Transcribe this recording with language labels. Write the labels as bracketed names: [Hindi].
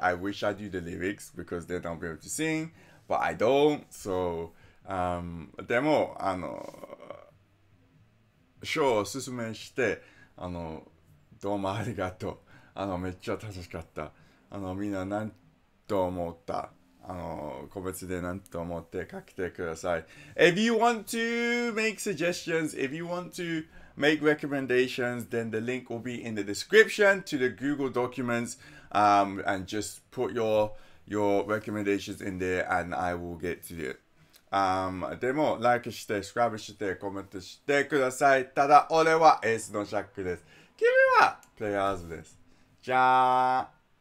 [English] I wish I knew the lyrics because then I'll be able to sing, but I don't. [Japanese] So でもあのショーを勧めして、あのどうもありがとう。あのめっちゃ楽しかった。あのみんな何と思った、あの個別で何と思って書きてください。 [English] If you want to make suggestions, if you want to make recommendations, then the link will be in the description to the Google documents. And just put your recommendations in there and I will get to it. [Japanese] でも、like して、subscribe して、コメントしてください。ただ、俺はエースのシャックです。君はプレイヤーズです。じゃあ。